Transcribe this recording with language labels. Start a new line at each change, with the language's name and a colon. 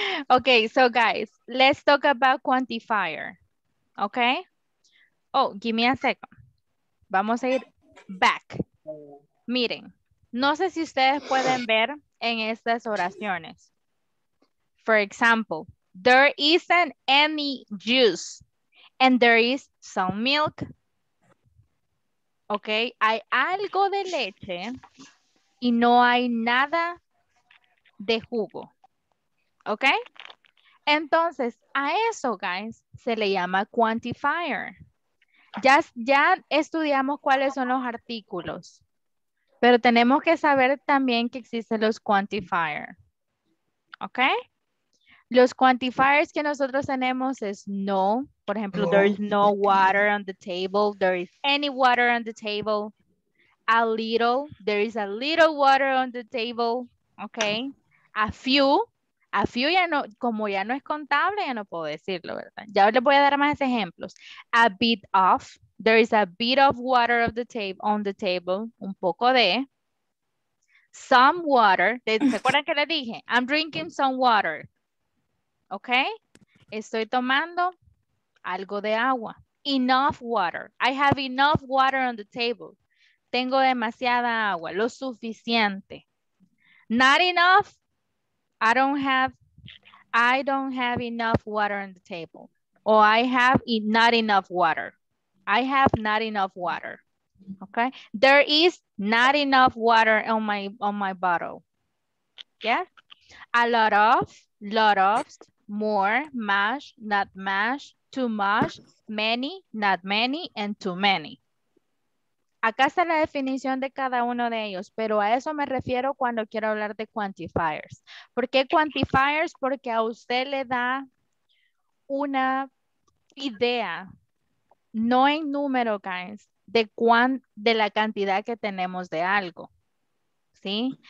English: Ok, so guys, let's talk about quantifier. Ok. Oh, give me a second.
Spanish: Vamos a ir back. Miren, no sé si ustedes pueden ver en estas oraciones.
English: For example, there isn't any juice and there is some milk.
Spanish: Ok, hay algo de leche y no hay nada de jugo. Ok, entonces a eso, guys, se le llama quantifier. Ya estudiamos cuáles son los artículos, pero tenemos que saber también que existen los quantifier. Ok. Los quantifiers que nosotros tenemos es no. Por ejemplo,
English: there is no water on the table. There is any water on the table. A little. There is a little water on the table. Ok. A few.
Spanish: A few ya no, como ya no es contable, ya no puedo decirlo, ¿verdad? Ya les voy a dar más ejemplos. A bit of.
English: There is a bit of water on the table.
Spanish: Un poco de.
English: Some water.
Spanish: ¿Se acuerdan que le dije?
English: I'm drinking some water.
Spanish: Ok, estoy tomando algo de agua.
English: Enough water. I have enough water on the table.
Spanish: Tengo demasiada agua, lo suficiente.
English: Not enough. I don't have enough water on the table. O I have not enough water. I have not enough water. Ok, there is not enough water on my bottle. Yes, a lot of. More, mash, not mash, too much, many, not many, and too many.
Spanish: Acá está la definición de cada uno de ellos, pero a eso me refiero cuando quiero hablar de quantifiers. ¿Por qué quantifiers? Porque a usted le da una idea, no en número, guys, de la cantidad que tenemos de algo. ¿Sí?